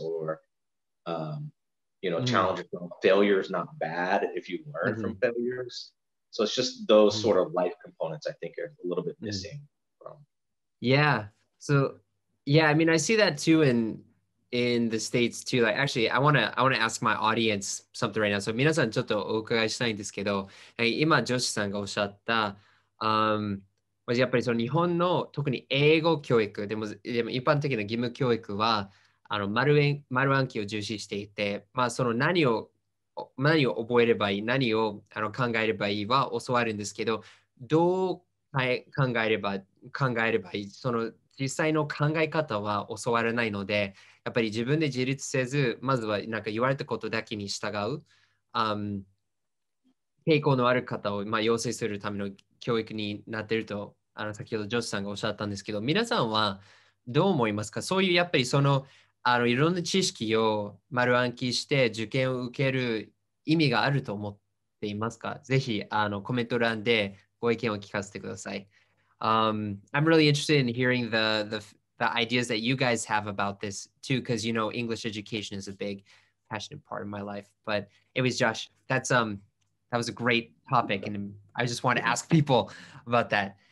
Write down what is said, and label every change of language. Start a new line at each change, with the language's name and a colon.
English: Or, challenges, failure is not bad if you learn from failures. So it's just those sort of life components I think are a little bit missing. I mean, I see that too in the States too. Like, actually, I want to ask my audience something right now.
Japanese: So, 皆さんちょっとお伺いしたいんですけど、今ジョシさんがおっしゃった、やっぱりその日本の特に英語教育でも一般的な義務教育は丸暗記を重視していて、まあその何を覚えればいい、何を考えればいいは教わるんですけど、どう考えればいい。その実際の考え方は教わらないので、やっぱり自分で自立せず、まずはなんか言われたことだけに従う、抵抗のある方を、まあ、養成するための教育になっていると、先ほどジョシさんがおっしゃったんですけど、皆さんはどう思いますか？そういうやっぱりその、いろんな知識を丸暗記して受験を受ける意味があると思っていますか？ぜひ、コメント欄でご意見を聞かせてください。
English: I'm really interested in hearing the ideas that you guys have about this too, because you know English education is a big passionate part of my life. But anyways, Josh, that was a great topic, and I just want to ask people about that.